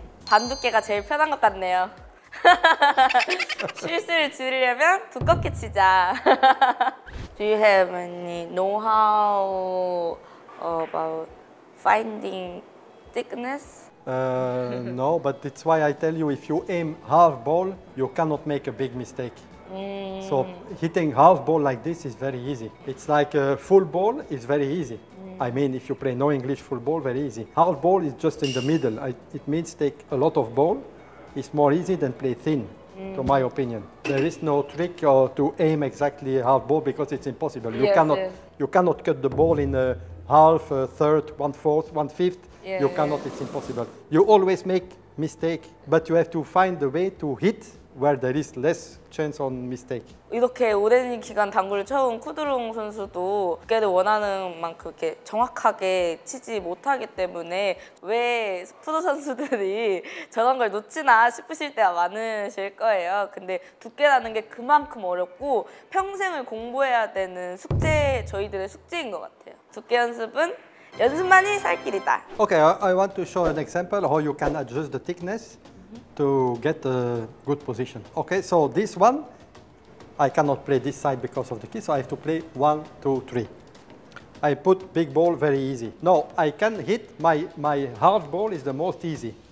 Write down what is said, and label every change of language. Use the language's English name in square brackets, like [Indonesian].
[Korean] 반 두께가 제일 편한 것 같네요. 실수를 줄이려면 두껍게 치자. [English] Do you have any know-how about finding thickness? No, but that's why I tell you, if you aim half ball, you cannot make a big mistake. So hitting half ball like this is very easy. It's like a full ball is very easy. I mean, if you play no English full ball, very easy. Half ball is just in the middle. It means take a lot of ball. It's more easy than play thin, to my opinion. There is no trick to aim exactly half ball because it's impossible. Yes, you cannot cut the ball in a half, a third, one fourth, one fifth. Yeah, you cannot, yeah. It's impossible. You always make mistake, but you have to find a way to hit where there is less chance on mistake. [Korean] 이렇게 오랜 기간 당구를 쳐온 쿠드롱 선수도 두께를 원하는 만큼 이렇게 정확하게 치지 못하기 때문에 왜 프로 선수들이 저런 걸 놓치나 싶으실 때가 많으실 거예요. 근데 두께라는 게 그만큼 어렵고 평생을 공부해야 되는 숙제, 저희들의 숙제인 것 같아요. 두께 연습은 연습만이 살 길이다. [English] Okay, I want to show an example how you can adjust the thickness to get a good position. Okay, so this one, I cannot play this side because of the key, so I have to play one, two, three. I put big ball very easy. No, I can hit my half ball is the most easy.